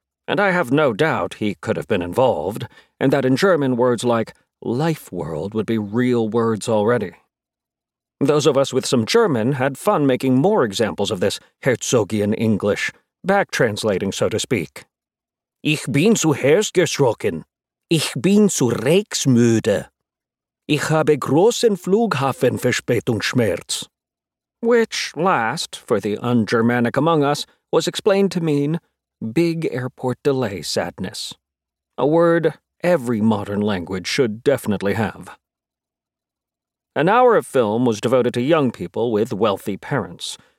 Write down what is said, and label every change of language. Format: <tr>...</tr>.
<en>And I have no doubt he could have been involved, and that in German words like life world would be real words already. Those of us with some German had fun making more examples of this Herzogian English, back-translating, so to speak.</en> <de>Ich bin zu herzgeschrocken. Ich bin zu reichsmüde. Ich habe großen Flughafenverspätungsschmerz.</de> <en>Which last, for the un-Germanic among us, was explained to mean big airport delay sadness. A word every modern language should definitely have. An hour of film was devoted to young people with wealthy parents.</en>